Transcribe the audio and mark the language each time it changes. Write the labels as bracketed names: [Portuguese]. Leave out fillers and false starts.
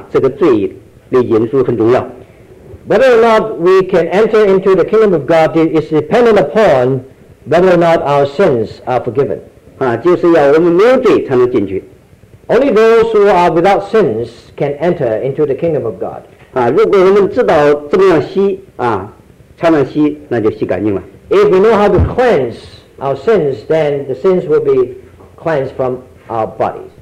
[Chinese] 将来能不能进天国,这个罪的因素很重要。 [English] Whether or not we can enter into the kingdom of God is dependent upon whether or not our sins are forgiven. [Chinese] 就是要我们没有罪才能进去。 [English] Only those who are without sins can enter into the kingdom of God. [Chinese] 如果我们知道怎么样洗,才能洗,那就洗干净了。 [English] If we know how to cleanse our sins, then the sins will be cleansed from our bodies.